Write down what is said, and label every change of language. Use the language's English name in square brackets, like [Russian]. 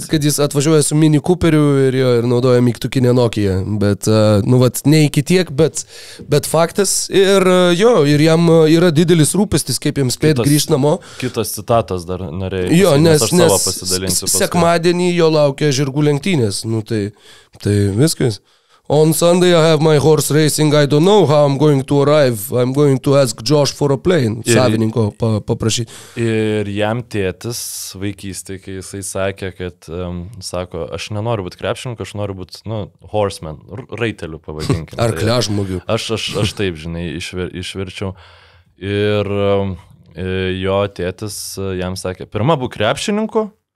[Lithuanian] kad jis atvažiuoja su mini Cooperiu ir jo ir naudoja mygtukinę Nokia, bet nu vat ne iki tiek, bet faktas ir jo ir jam yra didelis rūpestis, kaip jam spėt grįžt namo. Kitas citatas dar norėjau. Jo, nes sekmadienį jo laukia žirgų lenktynės, nu tai viskas. [English] On Sunday I have my horse racing, I don't know how I'm going to arrive, I'm going to ask Josh for a plane, [Lithuanian] savininko paprašyti. Ir jam tėtis vaikystė, kai jisai sakė, kad, sako, aš nenoriu būti krepšininku, aš noriu būti, nu, horseman, raiteliu pavadinkim. Ar kliažmogiu. Aš taip, žinai, išverčiau. Ir jo tėtis jam sakė, pirma, būk krepšininku.